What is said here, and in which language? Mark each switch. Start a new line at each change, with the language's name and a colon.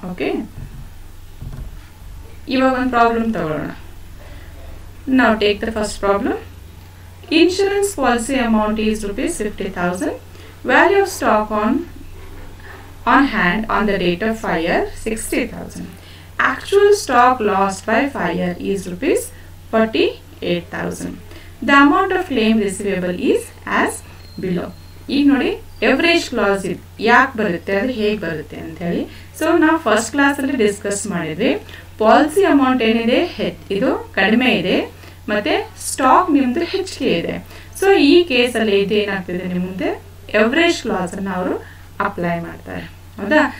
Kannada: Okay, ಇವಾಗ ಒಂದು problem ತಗೊಳ್ಳೋಣ.
English: ನಾವು take the first problem. Insurance policy amount is ₹50,000. Value of stock on hand on the date of fire ₹60,000. Actual stock lost by fire is ₹48,000. The amount of claim receivable is as below.
Kannada: ಈಗ ನೋಡಿ average class ಯಾಕೆ ಬರುತ್ತೆ, ಅದು ಹೇಗೆ ಬರುತ್ತೆ ಅಂತ ಹೇಳಿ. So ನಾವು ಫಸ್ಟ್ ಕ್ಲಾಸಲ್ಲಿ ಡಿಸ್ಕಸ್ ಮಾಡಿದ್ವಿ, ಪಾಲಿಸಿ ಅಮೌಂಟ್ ಏನಿದೆ ಇದು ಕಡಿಮೆ ಇದೆ, ಮತ್ತು ಸ್ಟಾಕ್ ನಿಮ್ಮದು ಹೆಚ್ಚಿಗೆ ಇದೆ. ಸೊ ಈ ಕೇಸಲ್ಲಿ ಇದು ಏನಾಗ್ತಿದೆ, ನಿಮ್ಮ ಮುಂದೆ ಎವರೇಜ್ ಕ್ಲಾಸನ್ನು ಅವರು ಅಪ್ಲೈ ಮಾಡ್ತಾರೆ, ಹೌದಾ?